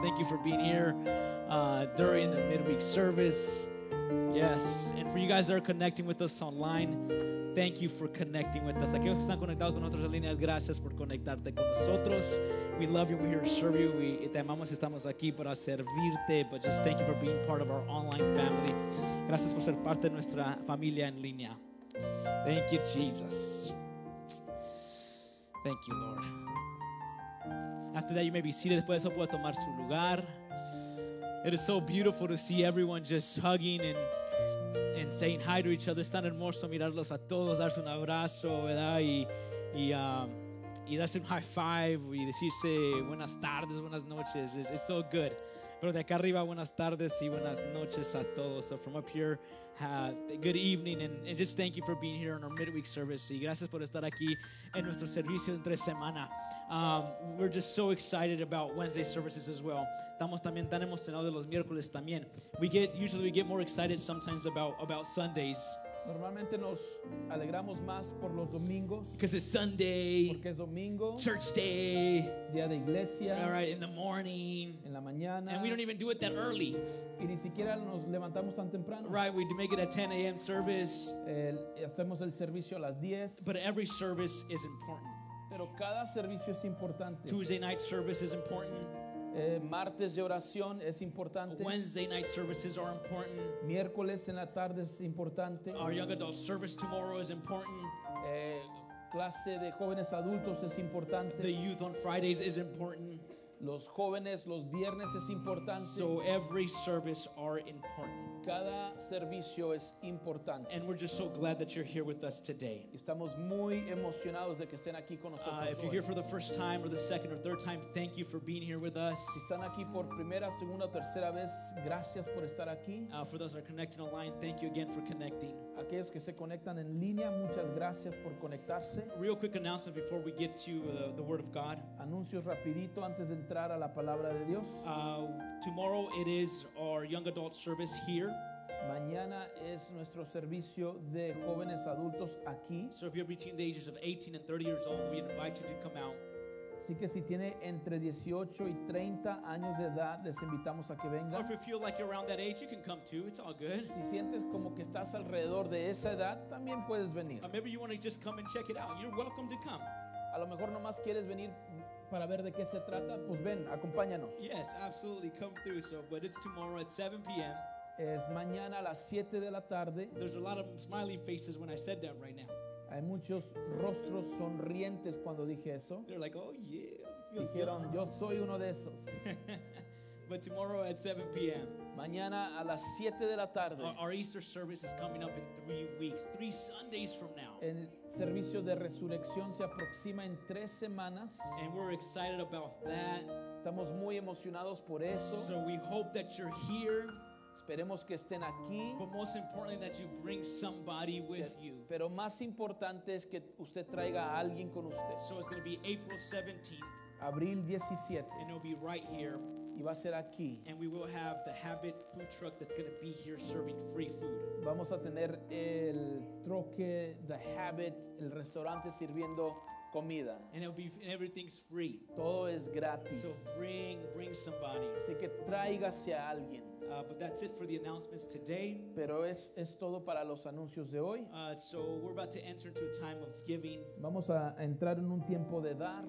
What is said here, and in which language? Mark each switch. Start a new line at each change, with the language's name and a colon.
English: Thank you for being here during the midweek service. Yes, and for you guys that are connecting with us online, thank you for connecting with us.
Spanish: Aquellos que están conectados con otras líneas, gracias por conectarte con nosotros.
English: We love you, we're here to serve you. We
Spanish: te amamos, estamos aquí para servirte.
English: But just thank you for being part of our online family.
Spanish: Gracias por ser parte de nuestra familia en línea.
English: Thank you, Jesus. Thank you, Lord. After that, you may be seated.
Spanish: Después de eso, puede tomar su lugar.
English: It is so beautiful to see everyone just hugging and saying hi to each other.
Spanish: Es tan hermoso mirarlos a todos, darse un abrazo, ¿verdad? Y darse un high five y decirse buenas tardes, buenas noches.
English: It's so good.
Spanish: Pero de acá arriba, buenas tardes y buenas noches a todos.
English: So from up here, good evening, and just thank you for being here in our midweek service.
Spanish: Y gracias por estar aquí en nuestro servicio de entre semana.
English: We're just so excited about Wednesday services as well.
Spanish: Estamos también tan emocionados de los miércoles también.
English: We get more excited sometimes about Sundays.
Spanish: Normalmente nos alegramos más por los domingos.
English: Because it's Sunday.
Spanish: Porque es domingo.
English: Church day.
Spanish: Día de iglesia.
English: All right, in the morning.
Spanish: En la mañana.
English: And we don't even do it that early.
Spanish: Y ni siquiera nos levantamos tan temprano.
English: Right, we make it a 10 a.m. service.
Spanish: Hacemos el servicio a las 10.
English: But every service is important.
Spanish: Pero cada servicio es importante.
English: Tuesday night service is important.
Spanish: Martes de oración es importante.
English: Wednesday night services are important.
Spanish: Miércoles en la tarde es importante.
English: Our young adult service tomorrow is important.
Spanish: Clase de jóvenes adultos es importante.
English: The youth on Fridays is important.
Spanish: Los jóvenes los viernes es importante.
English: So every service are important.
Spanish: Cada servicio es importante.
English: And we're just so glad that you're here with us today.
Spanish: Estamos muy emocionados de que estén aquí con nosotros.
English: If you're here for the first time or the second or third time, thank you for being here with us.
Spanish: Si están aquí por primera, segunda, tercera vez, gracias por estar aquí.
English: For those that are connecting online, thank you again for connecting.
Spanish: Aquellos que se conectan en línea, muchas gracias por conectarse.
English: Real quick announcement before we get to the Word of God.
Spanish: Anuncios rapidito antes de entrar a la palabra de Dios.
English: Tomorrow it is our young adult service here.
Spanish: Mañana es nuestro servicio de jóvenes adultos aquí.
English: So if you're between the ages of 18 and 30 years old, we invite you to come out.
Spanish: Así que si tiene entre 18 y 30 años de edad, les invitamos a que vengan.
English: Or if you feel like you're around that age, you can come too. It's all good.
Spanish: Si sientes como que estás alrededor de esa edad, también puedes venir.
English: Or maybe you want to just come and check it out. You're welcome to come.
Spanish: A lo mejor nomás quieres venir para ver de qué se trata, pues ven, acompáñanos.
English: Yes, absolutely, come through. So, but it's tomorrow at 7 p.m.
Spanish: Es mañana a las 7 de la tarde.
English: There's a lot of smiley faces when I said that right now.
Spanish: Hay muchos rostros sonrientes cuando dije eso.
English: They're like, oh yeah.
Spanish: Dijeron, yo soy uno de esos.
English: But tomorrow at 7 p.m.
Spanish: Mañana a las 7 de la tarde.
English: Our Easter service is coming up in 3 weeks, 3 Sundays from now.
Spanish: El servicio de resurrección se aproxima en 3 semanas.
English: And we're excited about that.
Spanish: Estamos muy emocionados por eso.
English: So we hope that you're here.
Spanish: Esperemos que estén aquí.
English: But most importantly that you bring somebody with you.
Spanish: Pero más importante es que usted traiga a alguien con usted.
English: So it's going to be April 17th.
Spanish: Abril 17.
English: And it'll be right here.
Spanish: Y va a ser aquí.
English: And we will have the Habit food truck that's going to be here serving free food.
Spanish: Vamos a tener el troque, the Habit, el restaurante sirviendo comida.
English: And it'll be, and everything's free.
Spanish: Todo es gratis.
English: So bring somebody.
Spanish: Así que tráigase a alguien.
English: But that's it for the announcements today.
Spanish: Pero es todo para los anuncios de hoy.
English: So we're about to enter into a time of giving.
Spanish: Vamos a entrar en un tiempo de dar.